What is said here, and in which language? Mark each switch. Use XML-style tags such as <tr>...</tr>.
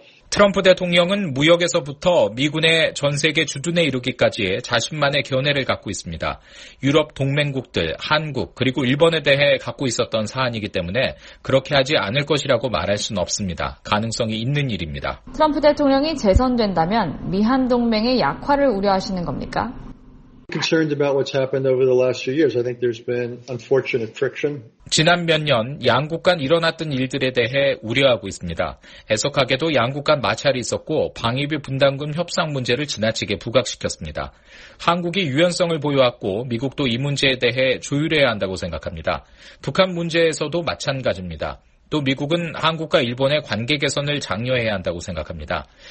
<ko>트럼프 대통령은 무역에서부터 미군의 전 세계 주둔에 이르기까지 자신만의 견해를 갖고 있습니다. 유럽 동맹국들, 한국, 그리고 일본에 대해 갖고 있었던 사안이기 때문에 그렇게 하지 않을 것이라고 말할 순 없습니다. 가능성이 있는 일입니다. 트럼프 대통령이 재선된다면 미한 동맹의 약화를 우려하시는 겁니까?</ko> <en>Concerned about what's happened over the last few years. I think there's been unfortunate friction.</en> <ko>지난 몇 년 양국 간 일어났던 일들에 대해 우려하고 있습니다. 애석하게도 양국 간 마찰이 있었고 방위비 분담금 협상 문제를 지나치게 부각시켰습니다. 한국이 유연성을 보여왔고 미국도 이 문제에 대해 조율해야 한다고 생각합니다. 북한 문제에서도 마찬가지입니다. 또 미국은 한국과 일본의 관계 개선을 장려해야 한다고 생각합니다.</ko>